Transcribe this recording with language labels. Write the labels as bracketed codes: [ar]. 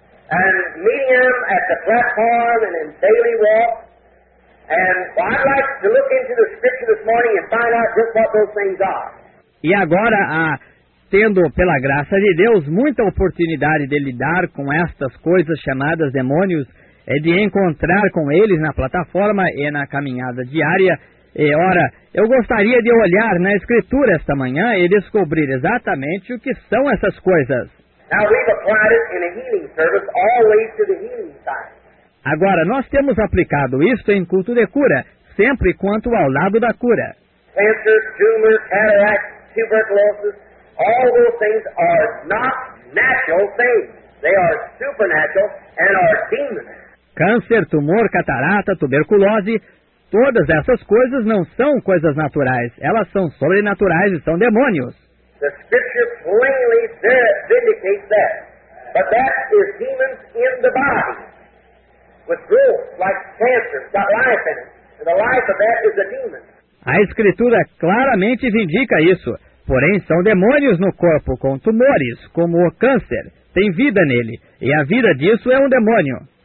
[en] And meeting them at the platform and in daily walk. And well, I'd like to look into the scripture this morning and find out just what those things are. [pt] E agora, tendo, pela graça de Deus, muita oportunidade de lidar com estas coisas chamadas demônios, é de encontrar com eles na plataforma e na caminhada diária. E, ora, eu gostaria de olhar na Escritura esta manhã e descobrir exatamente o que são essas coisas. [en] Now we've applied it in a healing service, always to the healing side. [pt] Agora, nós temos aplicado isto em culto de cura, sempre quanto ao lado da cura. [en] Cancer, tumor, cataract, tuberculosis, all those things are not natural things. They are supernatural and are demons. [pt] Câncer, tumor, catarata, tuberculose, todas essas coisas não são coisas naturais. Elas são sobrenaturais e são demônios. [en] The scripture plainly vindicates that. But that is demons in the body. With growths like cancer, got life in it. And the life of that is a demon. [pt] A Escritura claramente vindica isso. Porém, são demônios no corpo com tumores, como o câncer. Tem vida nele, e a vida disso é um demônio.